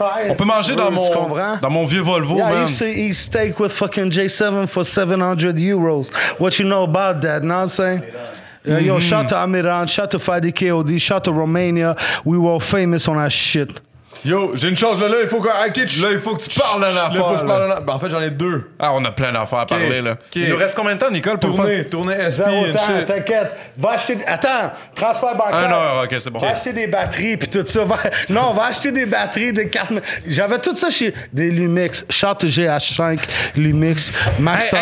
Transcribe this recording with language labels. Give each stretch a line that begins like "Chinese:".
French: On peut manger dans mon vieux Volvo, man.
English: Yeah, I used to eat steak with fucking J7 for 700 euros. What you know about that, know what I'm saying? Mm-hmm. Yo, shout to Amiran, shout to Fadi KOD, shout to Romania. We were famous on our shit.
French: Yo, j'ai une chose, là, il faut que tu parles d'une affaire. Il faut que je parle d'une affaire. Ben, en fait, j'en ai deux. Ah, on a plein d'affaires à parler, là. Okay. Il nous reste combien de temps, Nicole, pour tourner SP et shit? Zéro temps, t'inquiète. Va acheter... Attends, transfert bancaire. Un heure, OK, c'est bon. Va acheter des batteries, puis tout ça. Non, va acheter des batteries, des cartes... J'avais tout ça chez... Des Lumix, Charte GH5, Lumix, Master.